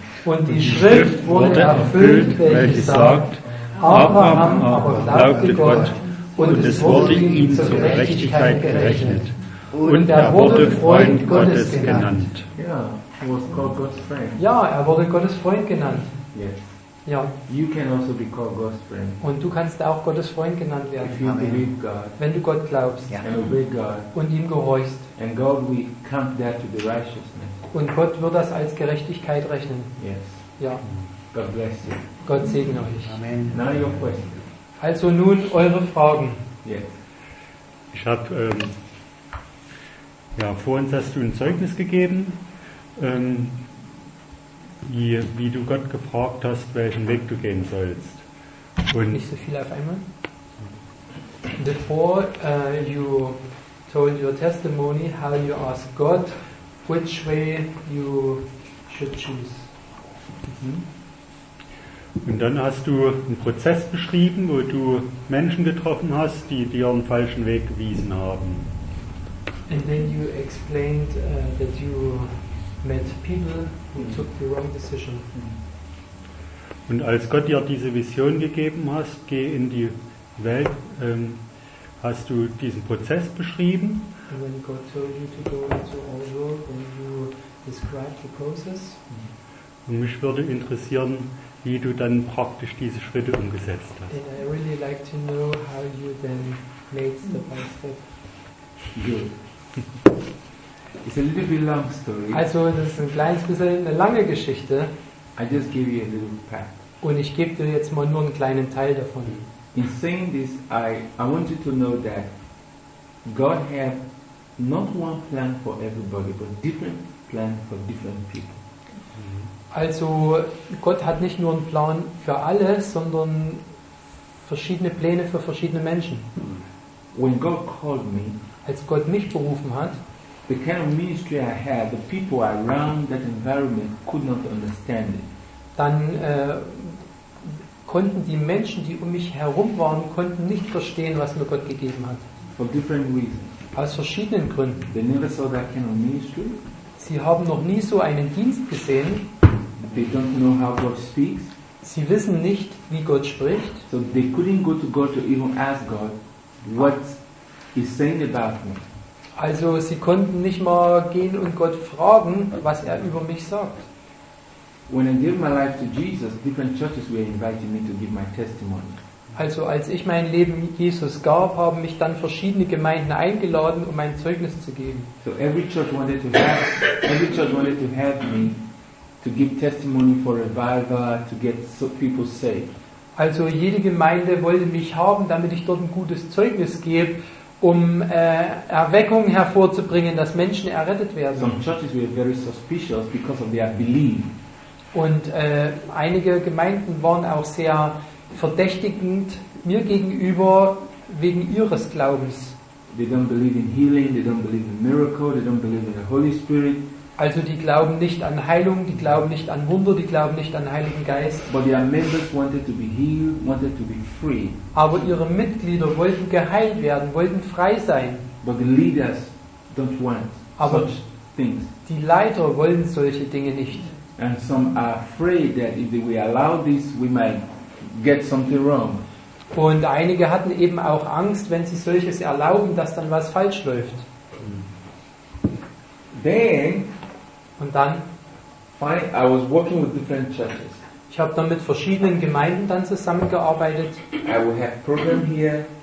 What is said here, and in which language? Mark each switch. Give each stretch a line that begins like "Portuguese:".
German: Und die Schrift wurde erfüllt, welche sagt, Abraham aber glaubte Gott, und es wurde ihm zur Gerechtigkeit gerechnet. Und er wurde Freund Gottes genannt.
English: Yeah, was called God's friend.
German: Ja, er wurde Gottes Freund genannt.
English: Yes.
German: Ja.
English: You can also be called God's friend.
German: Und du kannst auch Gottes Freund genannt werden.
English: If you believe God,
German: wenn du Gott glaubst,
English: yeah, and obey God,
German: und ihm gehorchst.
English: And God will count that to be righteousness.
German: Und Gott wird das als Gerechtigkeit rechnen.
English: Yes.
German: Ja.
English: God bless you.
German: Gott segne euch.
English: Amen. Now your question.
German: Also nun eure Fragen.
English: Yes.
German: Ich habe vor uns hast du ein Zeugnis gegeben, wie du Gott gefragt hast, welchen Weg du gehen sollst. Und nicht so viel auf einmal.
English: Before you told your testimony, how you asked God which way you should choose.
German: Und dann hast du einen Prozess beschrieben, wo du Menschen getroffen hast, die dir einen falschen Weg gewiesen haben.
English: And then you explained that you met people who took the wrong decision.
German: Und als Gott dir diese Vision gegeben hat, geh in die Welt, hast du diesen Prozess beschrieben.
English: And when God told you to go into all the world, then you described the process.
German: Und mich würde interessieren, wie du dann praktisch diese Schritte umgesetzt hast.
English: And I really like to know how you then made step by step. Good. It's a little bit long story.
German: Also, das ist ein kleines bisschen eine lange Geschichte.
English: I just give you a little part.
German: Und ich gebe dir jetzt mal nur einen kleinen Teil davon.
English: In saying this, I want you to know that God has not one plan for everybody, but different plan for different people.
German: Also, Gott hat nicht nur einen Plan für alle, sondern verschiedene Pläne für verschiedene Menschen.
English: When God called me,
German: als Gott mich berufen hat,
English: the kind of ministry I had, the people around that environment could not understand it.
German: Dann konnten die Menschen, die um mich herum waren, konnten nicht verstehen, was mir Gott gegeben hat.
English: For different reasons.
German: Aus verschiedenen Gründen.
English: They never saw that kind of ministry.
German: Sie haben noch nie so einen Dienst gesehen.
English: They don't know how God speaks.
German: Sie wissen nicht, wie Gott spricht.
English: So they couldn't go to God to even ask God what he's saying about me.
German: Also sie konnten nicht mal gehen und Gott fragen, was er über mich sagt.
English: When I gave my life to Jesus, different churches were inviting me to give my testimony.
German: Also als ich mein Leben Jesus gab, haben mich dann verschiedene Gemeinden eingeladen, um mein Zeugnis zu geben.
English: So every church wanted to have me to give testimony for revival, to get people saved.
German: Also jede Gemeinde wollte mich haben, damit ich dort ein gutes Zeugnis gebe, um Erweckung hervorzubringen, dass Menschen errettet werden.
English: Some churches were very suspicious because of their belief.
German: Und einige Gemeinden waren auch sehr verdächtigend mir gegenüber wegen ihres Glaubens.
English: They don't believe in healing, they don't believe in miracle, they don't believe in the Holy Spirit.
German: Also die glauben nicht an Heilung, die glauben nicht an Wunder, die glauben nicht an Heiligen Geist.
English: But their members wanted to be healed, wanted to be free.
German: Aber ihre Mitglieder wollten geheilt werden, wollten frei sein.
English: But the leaders don't want
German: Aber
English: such things.
German: Die Leiter wollen solche Dinge nicht.
English: And some are afraid that if we allow this, we might get something wrong.
German: Und einige hatten eben auch Angst, wenn sie solches erlauben, dass dann was falsch läuft.
English: Then,
German: und dann,
English: I was working with different churches.
German: Ich habe dann mit verschiedenen Gemeinden dann zusammengearbeitet.
English: I will have program here.